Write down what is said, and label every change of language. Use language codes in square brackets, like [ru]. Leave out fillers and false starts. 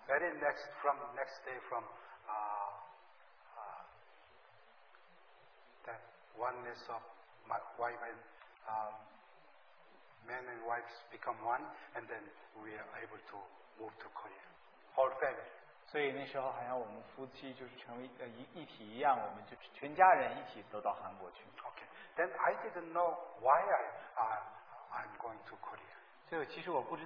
[en] Very next from next day from that oneness of my wife and men and wives become one, and then we are able to move to Korea. Whole family. [zh] 所以那时候好像我们夫妻就是成为一体一样，我们就全家人一起都到韩国去。 [en] Okay. Then I didn't know why I'm going to Korea.